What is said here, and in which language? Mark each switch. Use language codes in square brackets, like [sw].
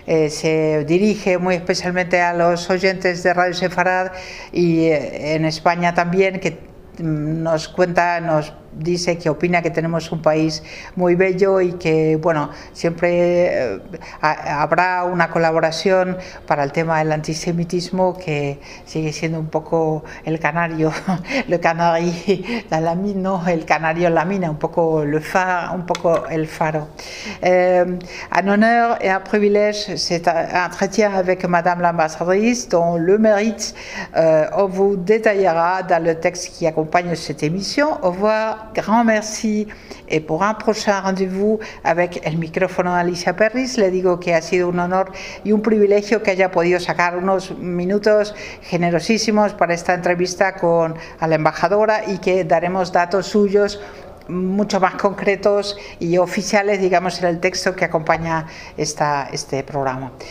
[es] se dirige muy especialmente a los oyentes de Radio Sefarad y en España también, que nos cuenta, nos dice que opina que tenemos un país muy bello y que, bueno, siempre habrá una colaboración para el tema del antisemitismo, que sigue siendo un poco el canario, [fr] le canari, la lamine, [es] ¿no? El canario en la mina, un poco el faro. [fr] Un honneur et un privilège, c'est un entretien avec Madame l'ambassadrice, dont le mérite, on vous détaillera dans le texte qui accompagne cette émission. Au revoir. Grand merci. Et pour un prochain rendez-vous avec le microphone d'Alicia Perris, [es] le digo que ha sido un honor y un privilegio que haya podido sacar unos minutos generosísimos para esta entrevista con a la embajadora, y que daremos datos suyos mucho más concretos y oficiales, digamos, en el texto que acompaña este programa.